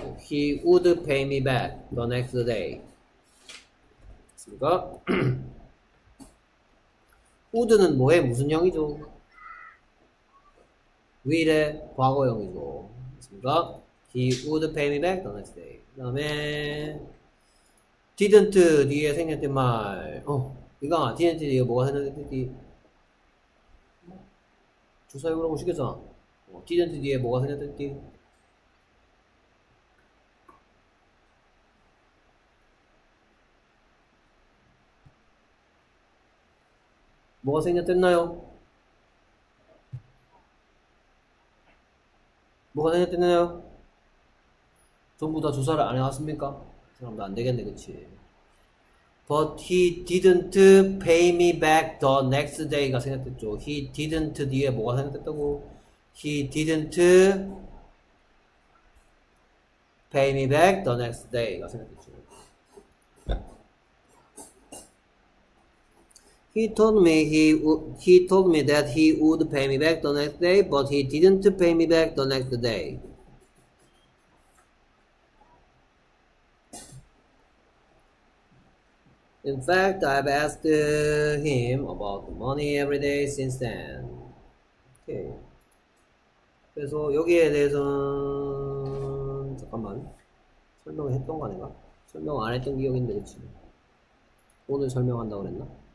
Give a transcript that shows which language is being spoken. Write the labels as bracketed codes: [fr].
[en] He would pay me back the next day. [ko] 그러니까 우드는 뭐의 무슨 형이죠? 윌의 과거형이죠. 그러니까 [en] he would pay me back the next day. [ko] 그다음에 didn't 뒤에 생겼던 말. 이거 didn't 뒤에 뭐가 생겼던 뒤? 주사위 보라고 시켰잖아. didn't 뒤에 뭐가 생겼던 뒤? 뭐가 생겼댔나요? 뭐가 생겼댔나요? 전부 다 조사를 안 해왔습니까? 사람도 안 되겠네, 그치? [en] But he didn't pay me back the next day가 생겼댔죠. He didn't [ko] 뒤에 뭐가 생겼댔다고? [en] He didn't pay me back the next day가 생겼댔죠. He told me that he would pay me back the next day, but he didn't pay me back the next day. In fact, I've asked him about the money every day since then. Okay. [ko] 그래서 여기에 대해서는 잠깐만 설명을 했던 거 아닌가? 설명 안 했던 기억인데 그치? 오늘 설명한다고 그랬나?